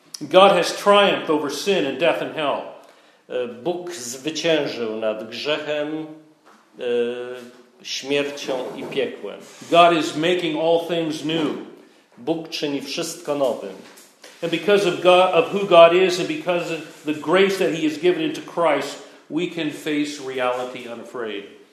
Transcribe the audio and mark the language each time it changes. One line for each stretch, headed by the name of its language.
English: God has triumphed over sin and death and hell.
Polish: Bóg zwyciężył nad grzechem, śmiercią i piekłem.
English: God is making all things new.
Polish: Bóg czyni wszystko nowym.
English: And because of God, of who God is, and because of the grace that He has given into Christ, we can face reality unafraid.